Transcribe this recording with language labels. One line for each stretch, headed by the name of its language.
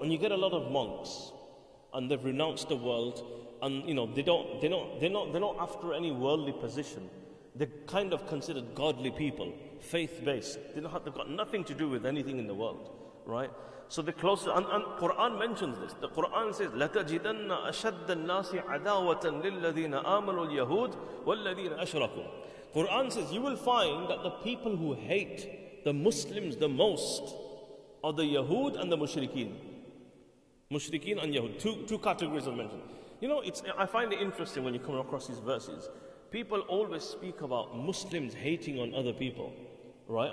English: And you get a lot of monks, and they've renounced the world, and you know they're not after any worldly position. They're kind of considered godly people, faith-based. They've got nothing to do with anything in the world, right? So the closest, and Quran mentions this. The Quran says,
Arabic: لَتَجِدَنَّ أَشَدَّ النَّاسِ عَدَاوَةً لِلَّذِينَ آمَنُوا الْيَهُودِ وَالَّذِينَ أَشْرَكُوا.
English: Quran says, you will find that the people who hate the Muslims the most are the Yahud and the Mushrikeen. Mushrikeen and Yahud, two categories are mentioned. You know, I find it interesting when you come across these verses. People always speak about Muslims hating on other people, right?